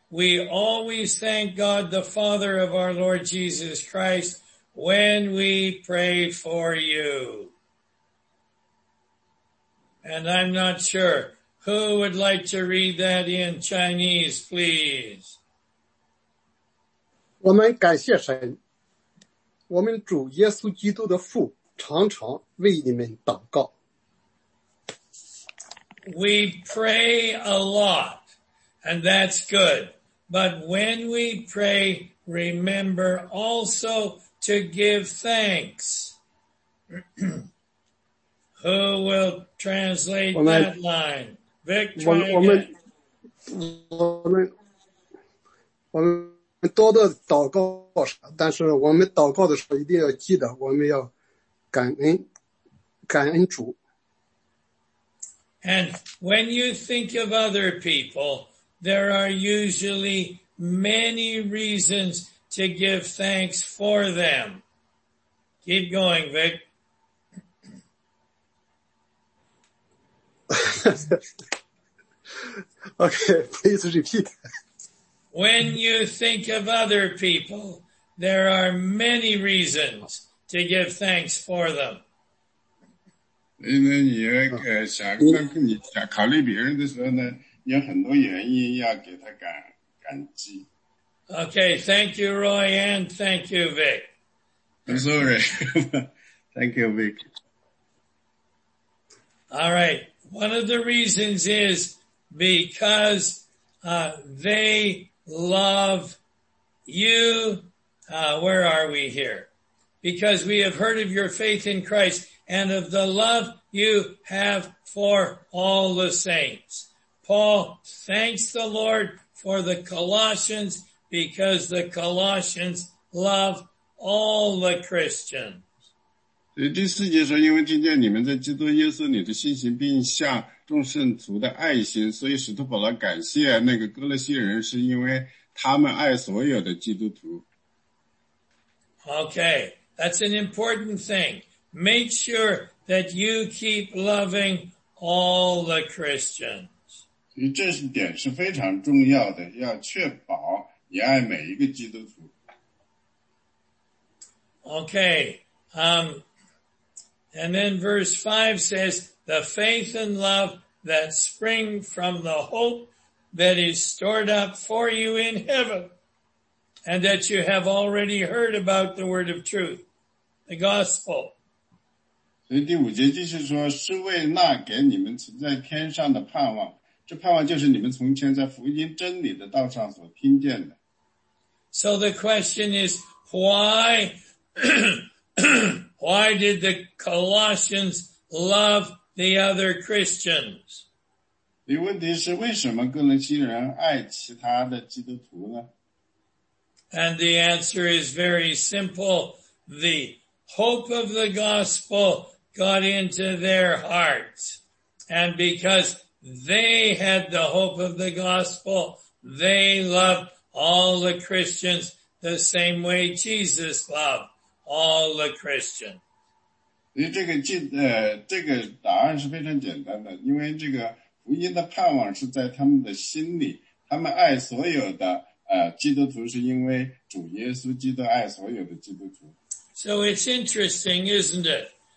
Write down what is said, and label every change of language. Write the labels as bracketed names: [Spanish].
[English] We always thank God, the Father of our Lord Jesus Christ, when we pray for you. And I'm not sure who would like to read that in Chinese, please. [Chinese] 我们感谢神，我们主耶稣基督的父常常为你们祷告。 [English] We pray a lot, and that's good. But when we pray, remember also to give thanks. Who will translate that line? Vic, try again. [Chinese] 我们多的祷告，但是我们祷告的时候一定要记得，我们要感恩，感恩主。 [English] And when you think of other people, there are usually many reasons to give thanks for them. Keep going, Vic. 哈哈。Okay, please repeat. When you think of other people, there are many reasons to give thanks for them. [Chinese] 因为你想跟你考虑别人的时候呢，有很多原因要给他感激。 [English] Okay, thank you, Roy, and thank you, Vic. I'm sorry. Thank you, Vic. All right. One of the reasons is because they love you. Where are we here? Because we have heard of your faith in Christ and of the love you have for all the saints. Paul thanks the Lord for the Colossians because the Colossians love all the Christians. [Chinese] 第四节说，因为听见你们在基督耶稣里的信心，并向众圣徒的爱心，所以使徒保罗感谢那个哥罗西人，是因为他们爱所有的基督徒。 [English] Okay, that's an important thing. Make sure that you keep loving all the Christians. [Chinese] 这一点是非常重要的，要确保你爱每一个基督徒。 [English] Okay, And then verse 5 says, the faith and love that spring from the hope that is stored up for you in heaven and that you have already heard about the word of truth, the gospel. [Chinese] 所以第五节继续说，是为那给你们存在天上的盼望，这盼望就是你们从前在福音真理的道上所听见的。 [English] So the question is, why... Why did the Colossians love the other Christians? [Chinese] 问题是为什么哥伦西人爱其他的基督徒呢？ [English] And the answer is very simple. The hope of the gospel got into their hearts. And because they had the hope of the gospel, they loved all the Christians the same way Jesus loved all the Christians. [Chinese] 因为这个答案是非常简单的，因为这个福音的盼望是在他们的心里，他们爱所有的基督徒是因为主耶稣基督爱所有的基督徒。 [English] So it's interesting, isn't it?